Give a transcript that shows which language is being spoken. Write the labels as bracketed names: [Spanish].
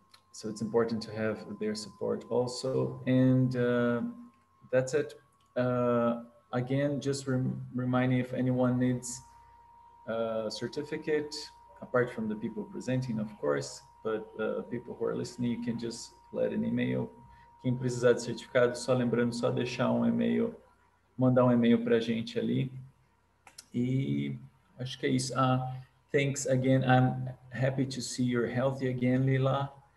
[English] So it's important to have their support also. And that's it. Again, just reminding if anyone needs a certificate, apart from the people presenting, of course, but people who are listening, you can just let an email. [Portuguese] Quem precisar de certificado, só lembrando, só deixar um e-mail, mandar um e-mail para a gente ali. E acho que é isso. [English] Thanks again. I'm happy to see you're healthy again, Lila.